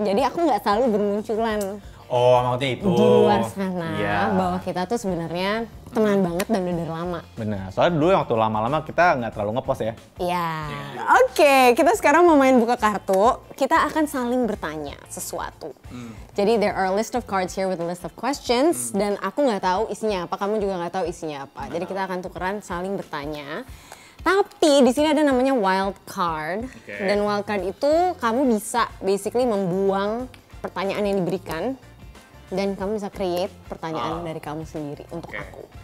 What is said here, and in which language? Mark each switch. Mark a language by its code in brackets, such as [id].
[id] Jadi aku gak selalu bermunculan. Oh, maksudnya itu. Di luar sana, yeah. Bahwa kita tuh sebenarnya teman banget dan udah lama. Benar, soalnya dulu waktu lama-lama kita gak terlalu ngepost ya. Iya, yeah. Oke, kita sekarang mau main buka kartu. Kita akan saling bertanya sesuatu. [en] Jadi there are a list of cards here with a list of questions. [id] Dan aku gak tahu isinya apa, kamu juga gak tahu isinya apa. Jadi kita akan tukeran saling bertanya. Tapi di sini ada namanya wild card. Okay. Dan wild card itu kamu bisa basically membuang pertanyaan yang diberikan. Dan kamu bisa create pertanyaan dari kamu sendiri untuk aku.